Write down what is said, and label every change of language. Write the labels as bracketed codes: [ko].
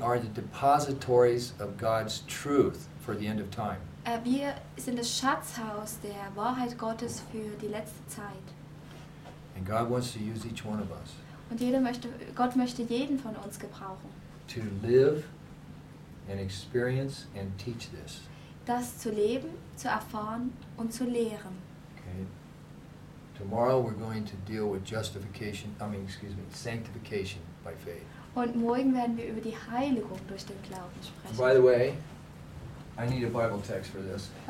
[en] We are the depositories of God's truth for the end of time. [de] Wir sind das Schatzhaus der Wahrheit Gottes für die letzte Zeit. [en] And God wants to use each one of us. [de] Und jeder möchte, Gott möchte jeden von uns gebrauchen. [en] To live and experience and teach this. [de] Das zu leben, zu erfahren und zu lehren. [en] Okay. Tomorrow we're going to deal with justification, sanctification by faith. [de] Und morgen werden wir über die Heiligung durch den Glauben sprechen. [en] By the way, I need a Bible text for this.